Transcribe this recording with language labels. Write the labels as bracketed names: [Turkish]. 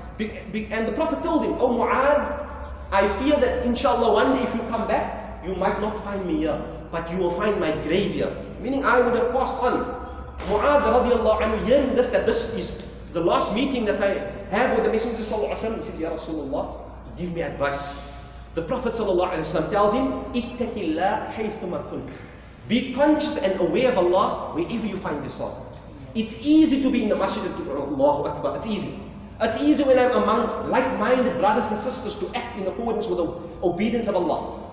[English] And the Prophet told him, Oh Mu'adh, I fear that inshallah one day if you come back, you might not find me here, but you will find my grave here. Meaning I would have passed on. Mu'adh radiallahu anhu, hearing this, that this is the last meeting that I have with the Messenger صلى الله عليه وسلم. He says, Ya Rasulullah, give me advice. The Prophet صلى الله عليه وسلم tells him, [Arabic] اتَّكِ اللَّهِ حَيْثُمَا كُنْتِ. [English] Be conscious and aware of Allah wherever you find yourself. It's easy to be in the masjid to pray Allahu Akbar. It's easy. It's easy when I'm among like-minded brothers and sisters to act in accordance with the obedience of Allah.